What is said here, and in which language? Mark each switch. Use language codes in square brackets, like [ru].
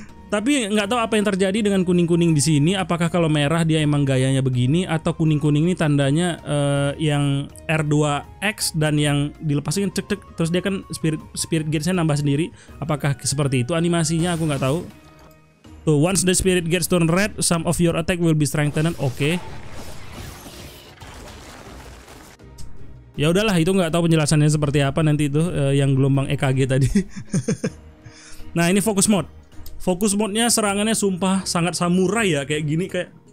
[id] Tapi nggak tahu apa yang terjadi dengan kuning-kuning di sini. Apakah kalau merah dia emang gayanya begini, atau kuning-kuning ini tandanya yang R2X dan yang dilepasin cek-cek, terus dia kan spirit gate-nya nambah sendiri. Apakah seperti itu animasinya? Aku nggak tahu. [en] So, once the spirit gate turn red, some of your attack will be strengthened. Oke. [id] Ya udahlah, itu nggak tahu penjelasannya seperti apa nanti itu yang gelombang EKG tadi. Nah, ini focus mode. Focus mode-nya serangannya sumpah sangat samurai ya, kayak gini kayak.